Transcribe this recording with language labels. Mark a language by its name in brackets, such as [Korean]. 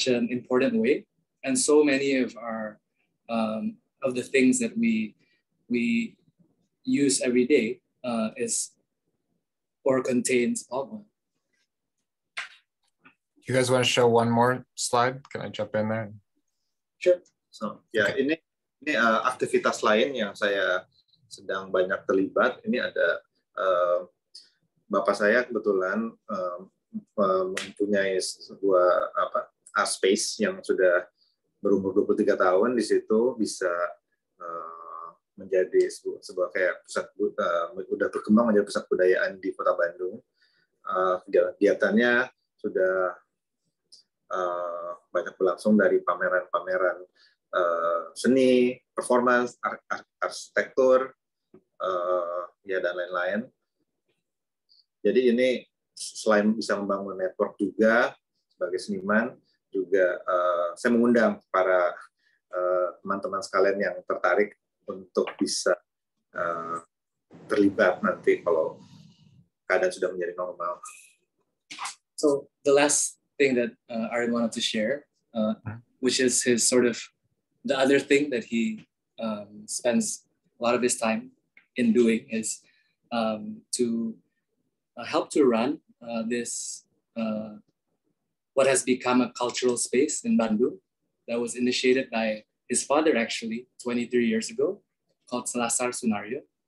[English] important way, and so many of our of the things that we use every day contains palm oil. Do you guys want to show one more slide? Can I jump in there? Sure. So yeah, okay. [Indonesian] Ini aktivitas lain yang saya sedang banyak terlibat. Ini ada bapak saya kebetulan mempunyai sebuah art space yang sudah berumur 23 tahun. Di situ bisa menjadi sebuah kayak pusat udah berkembang menjadi pusat budayaan di Kota Bandung. Kegiatannya sudah banyak berlangsung dari pameran-pameran seni, performance, arsitektur, ya dan lain-lain. Jadi ini selain bisa membangun network juga sebagai seniman, juga saya mengundang para teman-teman sekalian yang tertarik untuk bisa terlibat nanti kalau keadaan sudah menjadi normal. [English] So the last thing that Arin wanted to share, which is his sort of the other thing that he spends a lot of his time in doing, is to help to run this what has become a cultural space in Bandung that was initiated by his father actually 23 years ago, called Selasar Sunaryo.